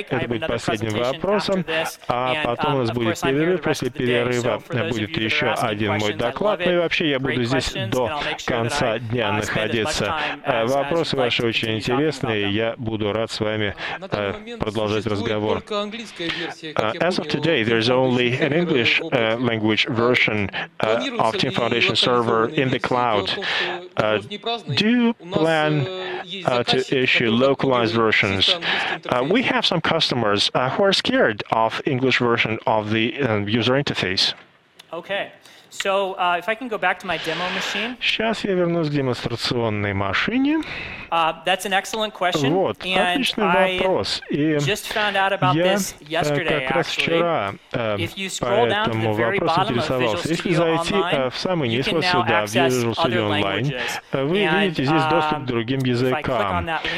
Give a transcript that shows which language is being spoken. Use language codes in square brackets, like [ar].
[ru] Это будет последним вопросом, а потом у нас будет перерыв. После перерыва будет еще один мой доклад. Ну и вообще, я буду здесь до конца дня находиться. Вопросы ваши очень интересные, и я буду рад с вами продолжать разговор. [en] As of today, there is only an English language version of Team Foundation Server in the cloud. Do you plan to issue localized versions? We have some customers who are scared of English version of the user interface. Okay. So, if I can go back to my demo machine. [ru] Сейчас я вернусь к демонстрационной машине. [en] That's an excellent question. [ru] Вот, отличный вопрос. И я как раз вчера по этому вопросу интересовался. Если зайти в самый низ вот сюда, в Visual Studio Online, вы видите здесь доступ к другим языкам.